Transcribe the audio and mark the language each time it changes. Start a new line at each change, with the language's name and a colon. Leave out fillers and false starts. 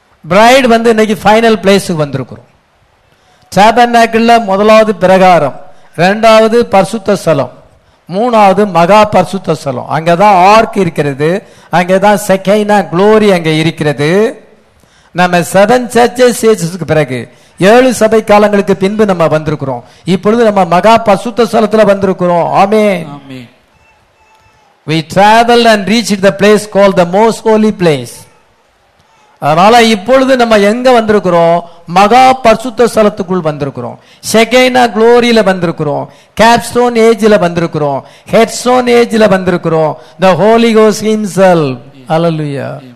Tamil: Bright வந்து இன்னைக்கு final பிளேஸுக்கு வந்திருக்கிறோம். டேபர்நாக்கிள்ல முதலாவது பிரகாரம், ரெண்டாவது பரிசுத்த ஸ்தலம், மூணாவது மகா பரிசுத்த ஸ்தலம். அங்கதான் ஆர்க் இருக்கிறது, அங்கதான் செகைனா க்ளோரி அங்க இருக்கிறது. நம்ம செவன் சர்ச்சஸ் ஏஜஸ்க்கு பிறகு ஏழு சபை காலங்களுக்கு பின்பு நம்ம வந்திருக்கிறோம். இப்பொழுது நம்ம மகா பசுத்த ஸ்தலத்துல வந்திருக்கிறோம். ஆமென். ஆமென்.
English: We traveled and reached the place called the most holy place.
Tamil: அதனால இப்பொழுது நம்ம எங்க வந்திருக்கிறோம்? மகா பரிசுத்த ஸ்தலத்துக்குள் வந்திருக்கிறோம். ஷெகைனா குளோரியில வந்திருக்கிறோம். கேப்ஸ்டோன் ஏஜ்ல வந்திருக்கிறோம். ஹெட்ஸ்டோன் ஏஜ்ல வந்திருக்கிறோம்.
English: The Holy Ghost Himself.
Tamil: Hallelujah.